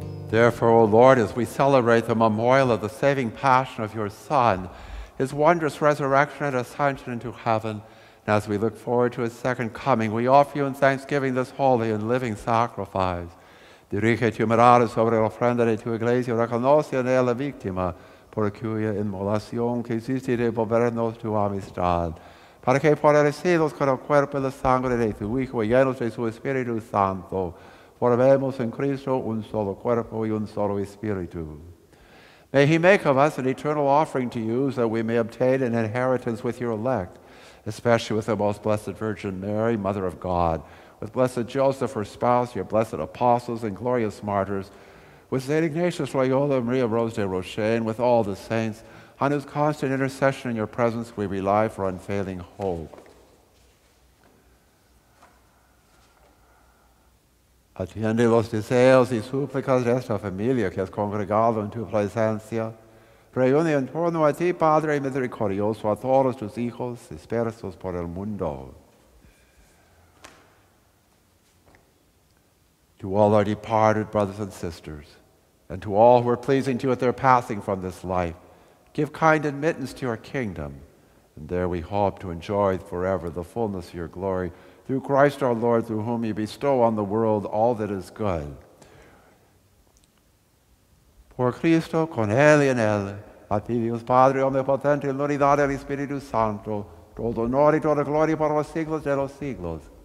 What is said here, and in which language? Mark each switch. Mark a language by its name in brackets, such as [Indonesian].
[English] Therefore, O Lord, as we celebrate the memorial of the saving passion of your Son, his wondrous resurrection and ascension into heaven, and as we look forward to his second coming, we offer you in thanksgiving this holy and living sacrifice. [Spanish] Dirige tu mirada sobre la ofrenda de tu iglesia, reconoce en ella la víctima, por cuya inmolación que hiciste devolvernos tu amistad, para que por heridos con el cuerpo y la sangre de tu Hijo y llenos de su Espíritu Santo, formemos en Cristo un solo cuerpo y un solo espíritu. [English] May he make of us an eternal offering to you so that we may obtain an inheritance with your elect, especially with the most blessed Virgin Mary, Mother of God, with blessed Joseph, her spouse, your blessed apostles and glorious martyrs, with St. Ignatius Loyola Maria Rose de Rocher, and with all the saints, on whose constant intercession in your presence we rely for unfailing hope. [Spanish] Atiende los deseos y súplicas de esta familia que has congregado en tu presencia. Reúne en torno a ti, Padre misericordioso, a todos tus hijos dispersos por el mundo. [English] To all our departed brothers and sisters, and to all who are pleasing to you at their passing from this life, give kind admittance to your kingdom, and there we hope to enjoy forever the fullness of your glory through Christ our Lord, through whom you bestow on the world all that is good. [Spanish] Por Cristo, con él y en él, a ti Dios Padre omnipotente, en la unidad del Espíritu Santo, todo honor y toda gloria por los siglos de los siglos.